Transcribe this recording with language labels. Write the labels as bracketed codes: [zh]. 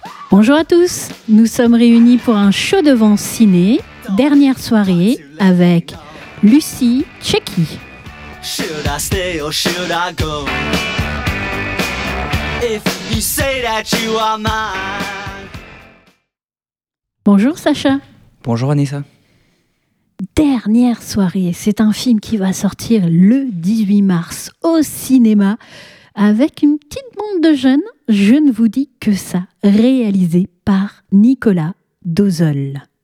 [fr] Bonjour à tous, nous sommes réunis pour un show devant ciné, dernière soirée avec Lucie Tchéki. [en] Should I stay or should I go? If you say that you are mine. [fr] Bonjour Sacha. Bonjour Anissa. Dernière soirée, c'est un film qui va sortir le 18 mars au cinéma avec une petite bande de jeunes, je ne vous dis que ça, réalisé par Nicolas Dozol.